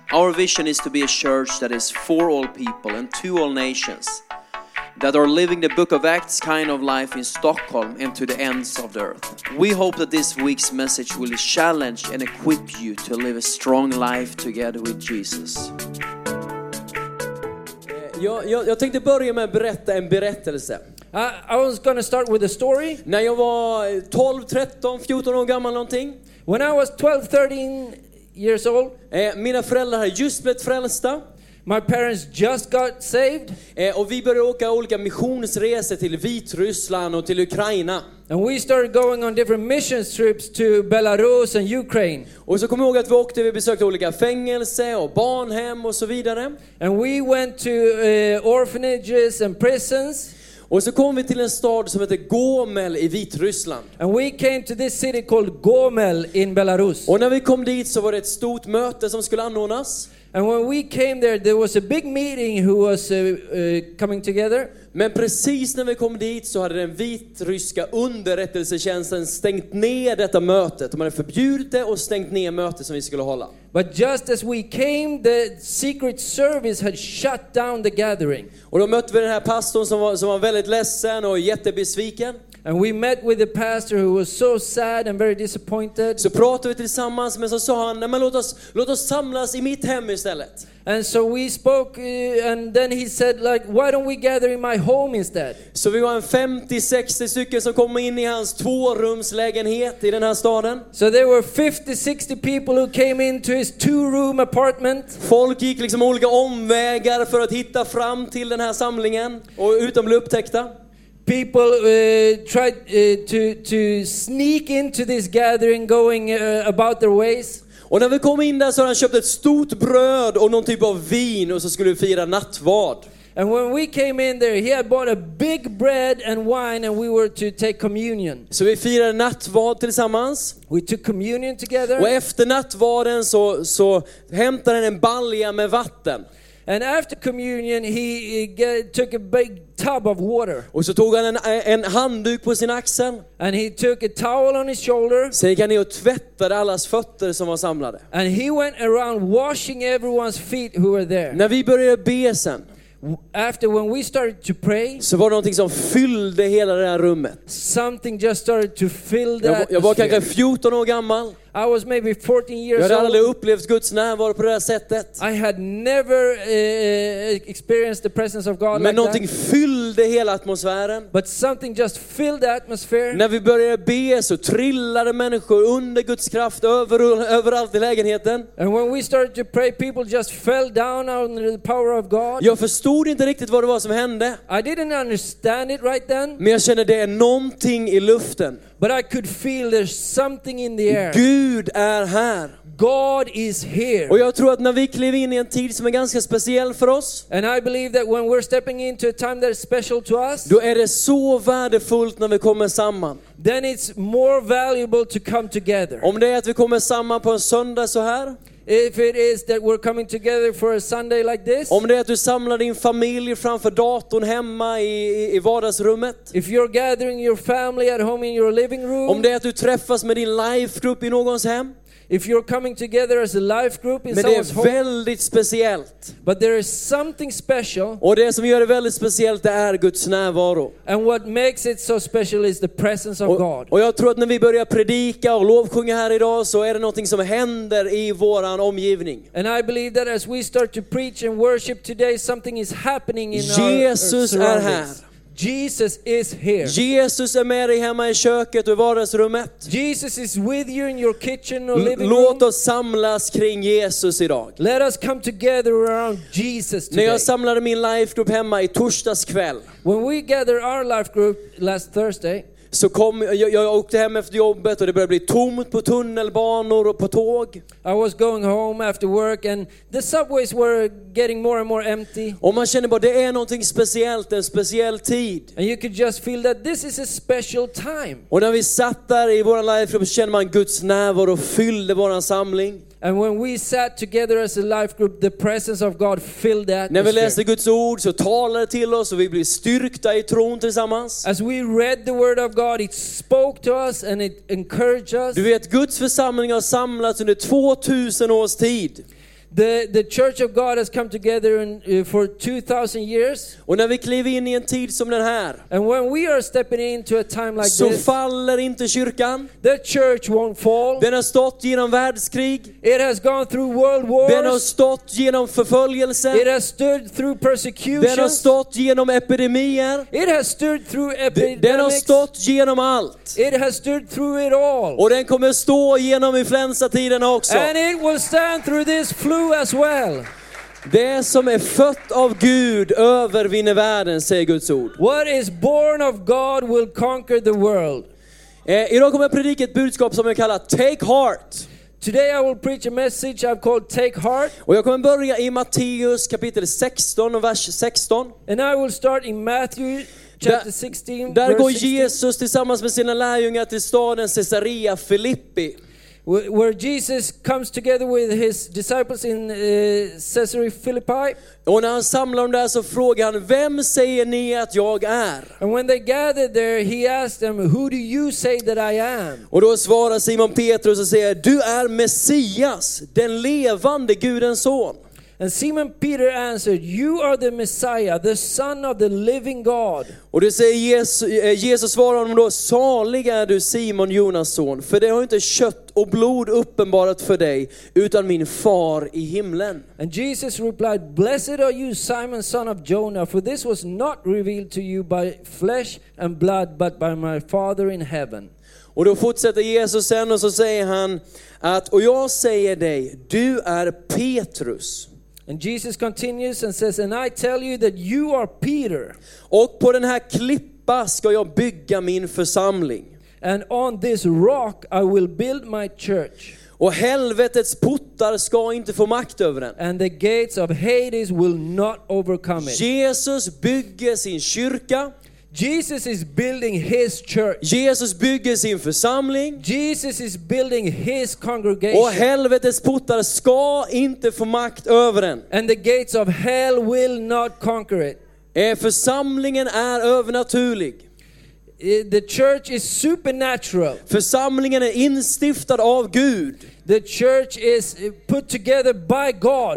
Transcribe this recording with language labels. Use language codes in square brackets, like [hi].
[en] Our vision is to be a church that is for all people and to all nations, that are living the Book of Acts kind of life in Stockholm and to the ends of the earth. We hope that this week's message will challenge and equip you to live a strong life together with Jesus. [sv] Jag tänkte börja med att berätta en berättelse. [en] I was going to start with a story. [sv] När jag var 12, 13, 14 år gammal någonting. [en] When I was 12, 13 years old. [sv] Mina föräldrar hade just blivit frälsta. [en] My parents just got saved. [sv] Och vi började åka olika missionsresor till Vitryssland och till Ukraina. [en] And we started going on different missions trips to Belarus and Ukraine. [sv] Och så kommer jag ihåg att vi åkte, vi besökte olika fängelser och barnhem och så vidare. [en] And we went to orphanages and prisons. [sv] Och så kom vi till en stad som heter Gomel i Vitryssland. [en] And we came to this city called Gomel in Belarus. [sv] Och när vi kom dit så var det ett stort möte som skulle anordnas. [en] And when we came there, there was a big meeting who was coming together. [sv] Men precis när vi kom dit så hade den vitryska underrättelsetjänsten stängt ner detta mötet. De hade förbjudit det och stängt ner mötet som vi skulle hålla. [en] But just as we came, the secret service had shut down the gathering. [sv] Och då mötte vi den här pastorn som var väldigt ledsen och jättebesviken. [en] And we met with the pastor who was so sad and very disappointed. [sv] Så pratade vi tillsammans, men så sa han, men låt oss samlas i mitt hem istället. [en] And so we spoke, and then he said, like, why don't we gather in my home instead? [sv] Så vi var en 50-60 stycken som kom in i hans tvårumslägenhet i den här staden. [en] So there were 50-60 people who came into his two-room apartment. [sv] Folk gick liksom olika omvägar för att hitta fram till den här samlingen och utan blev upptäckta. [en] People tried to sneak into this gathering, going about their ways. [sv] Och när vi kom in där så hade han köpt ett stort bröd och någon typ av vin och så skulle vi fira nattvard. [en] And when we came in there, he had bought a big bread and wine, and we were to take communion. [sv] Så vi firade nattvard tillsammans. [en] We took communion together. [sv] Och efter nattvarden så hämtade han en balja med vatten. [en] And after communion, he took a big tub of water. [sv] Och så tog han en handduk på sin axel. [en] And he took a towel on his shoulder. [sv] Så gick han ner och tvättade allas fötter som var samlade. [en] And he went around washing everyone's feet who were there. [sv] När vi började be sen. [en] After when we started to pray, [sv] så var det någonting som fyllde hela det här rummet. [en] Something just started to fill that. [sv] Jag var kanske 14 år gammal. [en] I was maybe 14 years old. [sv] Jag hade aldrig upplevt Guds närvaro på det här sättet. [en] I had never experienced the presence of God. [sv] Men [en] like [sv] någonting [en] that. [sv] Fyllde hela atmosfären. [en] But something just filled the atmosphere. [sv] När vi började be så trillade människor under Guds kraft överallt i lägenheten. [en] And when we started to pray, people just fell down under the power of God. [sv] Jag förstod inte riktigt vad det var som hände. [en] I didn't understand it right then. [sv] Men jag kände det är någonting i luften. [en] But I could feel there's something in the air. [sv] Gud är här. [en] God is here. [sv] Och jag tror att när vi kliver in i en tid som är ganska speciell för oss. [en] And I believe that when we're stepping into a time that is special to us. [sv] Då är det så värdefullt när vi kommer samman. [en] Then it's more valuable to come together. [sv] Om det är att vi kommer samman på en söndag så här. [en] If it is that we're coming together for a Sunday like this. [sv] Om det är att du samlar din familj framför datorn hemma i vardagsrummet. [en] If you're gathering your family at home in your living room. [sv] Om det är att du träffas med din life group i någons hem. [en] If you're coming together as a life group in someone's home. [sv] Men det är väldigt speciellt. [en] But there is something special. [sv] Och det som gör det väldigt speciellt det är Guds närvaro. [en] And what makes it so special is the presence of God. [sv] Och jag tror att när vi börjar predika och lovsjunga här idag så är det någonting som händer i våran omgivning. [en] And I believe that as we start to preach and worship today, something is happening in Jesus our [sv] Jesus är här. [en] Jesus is here. [sv] Jesus är med dig hemma i köket och i vardagsrummet. [en] Jesus is with you in your kitchen or living room. [sv] Låt oss samlas kring Jesus idag. [en] Let us come together around Jesus today. [sv] När jag samlade min life group hemma i torsdags kväll. [en] When we gathered our life group last Thursday. [sv] Så kom jag åkte hem efter jobbet och det började bli tomt på tunnelbanor och på tåg. [en] I was going home after work and the subways were getting more and more empty. [sv] Och man kände bara det är någonting speciellt, en speciell tid. [en] And you could just feel that this is a special time. [sv] Och när vi satt där i våran life group kände man Guds närvaro och fyllde våran samling. [en] And when we sat together as a life group, the presence of God filled that. [sv] När vi läste Guds ord så talade till oss och vi blev styrkta i tron tillsammans. [en] As we read the word of God, it spoke to us and it encouraged us. [sv] Du vet, Guds församling har samlats under 2000 års tid. [en] The church of God has come together for 2000 years. [sv] Och när vi kliver in i en tid som den här. [en] And when we are stepping into a time like this. [sv] Så faller inte kyrkan. [en] The church won't fall. [sv] Den har stått genom världskrig. [en] It has gone through world wars. [sv] Den har stått genom förföljelse. [en] It has stood through persecution. [sv] Den har stått genom epidemier. [en] It has stood through epidemics. [sv] Den har stått genom allt. [en] It has stood through it all. [sv] Och den kommer stå genom influensatiden också. [en] And it will stand through this flew as well. [sv] Det som är fött av Gud övervinner världen, säger Guds ord. [en] What is born of God will conquer the world. [sv] Idag kommer jag predika ett budskap som jag kallar Take Heart. [en] Today I will preach a message I've called Take Heart. [sv] Och jag kommer börja i Matteus kapitel 16 och vers 16. [en] And I will start in Matthew chapter 16. [sv] Där går Jesus tillsammans med sina lärjungar till staden Caesarea Philippi. [en] Where Jesus comes together with his disciples in Caesarea Philippi. [sv] Och när han samlar dem där så frågar han, vem säger ni att jag är? [en] And when they gathered there, he asked them, who do you say that I am? [sv] Och då svarar Simon Petrus och säger, du är Messias, den levande Gudens son. [en] And Simon Peter answered, you are the Messiah, the son of the living God. [sv] Och det säger Jesus svarar honom då, salig är du Simon Jonas son, för det har inte kött och blod uppenbarat för dig, utan min far i himlen. [en] And Jesus replied, blessed are you Simon son of Jonah, for this was not revealed to you by flesh and blood, but by my father in heaven. [sv] Och då fortsätter Jesus sen och så säger han att, och jag säger dig, du är Petrus. [en] And Jesus continues and says, and I tell you that you are Peter. [sv] Och på den här klippa ska jag bygga min församling. [en] And on this rock I will build my church. [sv] Och helvetets portar ska inte få makt över den. [en] And the gates of Hades will not overcome it. [sv] Jesus bygger sin kyrka. [en] Jesus is building his church. [sv] Jesus bygger sin församling. [en] Jesus is building his congregation. [sv] Och helvetets portar ska inte få makt över den. [en] And the gates of hell will not conquer it. [sv] Församlingen är övernaturlig. [en] The church is supernatural. [sv] Församlingen är instiftad av Gud. [en] The church is put together by God.